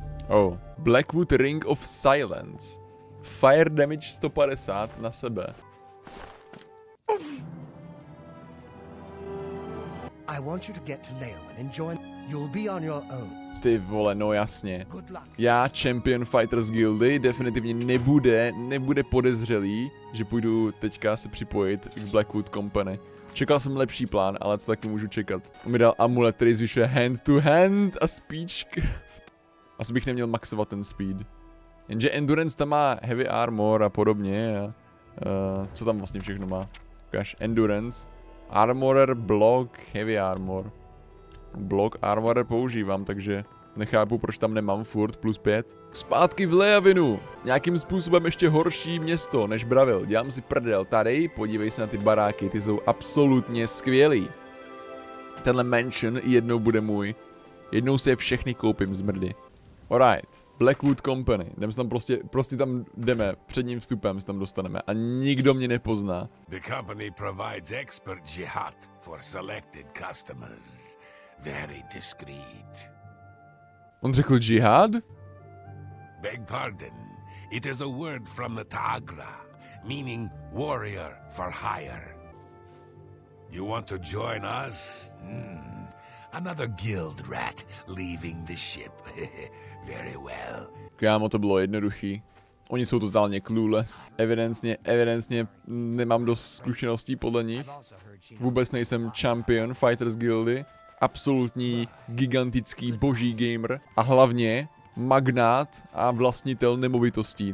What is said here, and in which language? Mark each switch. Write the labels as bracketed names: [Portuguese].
[English] Oh, Blackwood Ring of Silence. Fire damage 150 [Czech] na sebe. [English] I want you to get to Leowen and join. You'll be on your own. [Czech] Ty vole, no jasně. Já, Champion Fighters Guildy, definitivně nebude podezřelý, že půjdu teďka se připojit k Blackwood Company. Čekal jsem lepší plán, ale co taky můžu čekat. On mi dal amulet, který zvyšuje hand to hand a speechcraft. Asi bych neměl maxovat ten speed. Jenže Endurance tam má heavy armor a podobně. Co tam vlastně všechno má? Ukáž, Endurance. Armorer block, heavy armor. blok armor používám, takže nechápu, proč tam nemám furt plus 5. Zpátky v Leavinu. Nějakým způsobem ještě horší město než Braville. Dělám si prdel. Tady, podívej se na ty baráky, ty jsou absolutně skvělý. Tenhle mansion jednou bude můj. Jednou si je všechny koupím, zmrdy. Alright, Blackwood Company. Jdeme tam prostě tam jdeme, předním vstupem se tam dostaneme a nikdo mě nepozná. [English] The company provides expert jihad for selected customers. Very discreet. [Czech] On řekl jihad? [English] Beg pardon. It is a word from the Tagra, meaning warrior for hire. You want to join us? Another guild rat leaving the ship. Very well. [Czech] Kámo, to bylo jednoduchý. Oni jsou totálně clueless. Evidentně nemám dost zkušeností podle nich. Vůbec nejsem champion Fighters Guildy. Absolutní gigantický boží gamer. A hlavně magnát a vlastnitel nemovitostí.